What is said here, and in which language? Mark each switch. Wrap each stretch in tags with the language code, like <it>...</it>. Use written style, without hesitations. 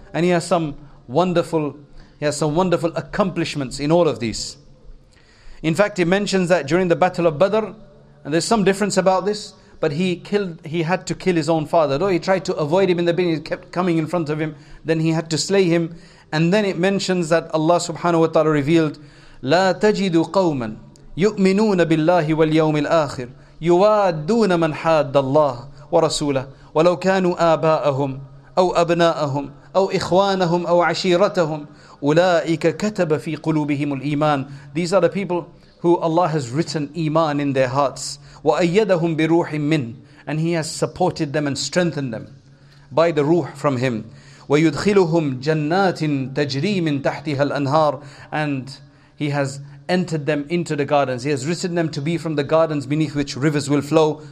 <en>And he has some wonderful accomplishments in all of these. In fact, he mentions that during the Battle of Badr, and there's some difference about this, but he had to kill his own father. Though he tried to avoid him in the beginning, he kept coming in front of him, then he had to slay him. And then it mentions that Allah subhanahu wa ta'ala revealed,</en> <ar>لا تجد قوما يؤمنون بالله واليوم الآخر يوادون من حاد الله ورسوله ولو كانوا آباءهم أو أبناءهم أو إخوانهم أو عشيرتهم أولئك كتب في قلوبهم الإيمان.</ar> <en>These are the people who Allah has written iman in their hearts.</en> <ar>وَأَيَّدَهُمْ بِرُوحٍ مِّنْ.</ar> <en>And he has supported them and strengthened them by the ruh from him.</en> <ar>وَيُدْخِلُهُمْ جَنَّاتٍ تَجْرِي مِّنْ تَحْتِهَا الْأَنْهَارِ.</ar> <en>And he has entered them into the gardens. He has written them to be from the gardens beneath which rivers will flow.</en>